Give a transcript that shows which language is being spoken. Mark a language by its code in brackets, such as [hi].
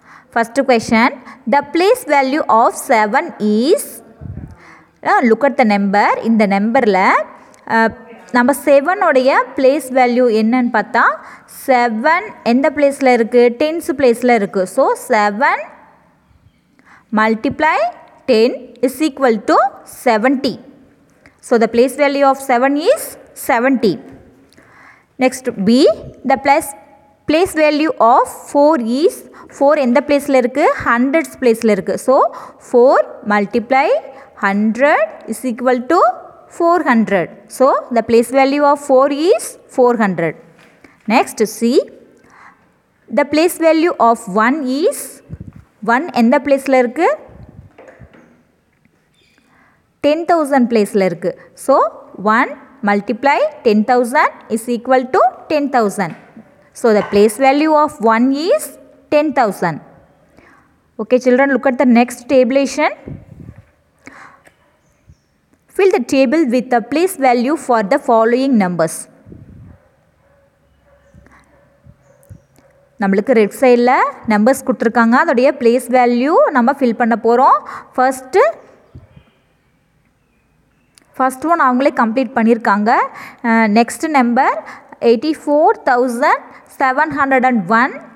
[en] First question, the place value of 7 is, look at the number. In the number [ta] la நம்ம 7-ஓடைய place value என்னன்னு பார்த்தா, 7 எந்த பிளேஸில் இருக்குது? டென்ஸ் பிளேஸில் இருக்குது. So 7 × 10 = 70. [en] So the place value of 7 is 70. Next B, the place value of 4 is, 4 [ta] எந்த பிளேஸில் இருக்குது? ஹண்ட்ரட்ஸ் பிளேஸில் இருக்குது. So 4 × 100 = 400. [en] So the place value of 4 is 400. Next, see the place value of 1 is, 1 [ta] எந்த பிளேஸில் இருக்குது? 10,000 பிளேஸில் இருக்குது. So 1 × 10,000 = 10,000. [en] So the place value of 1 is 10,000. Okay children, look at the next tabulation. Fill the table with the place value for the following numbers. [ta] நம்மளுக்கு red சைடில் numbers கொடுத்துருக்காங்க, அதோடைய place value நம்ம ஃபில் பண்ண போகிறோம். ஃபஸ்ட் ஒன் அவங்களே complete பண்ணியிருக்காங்க. [en] Next number 84,701.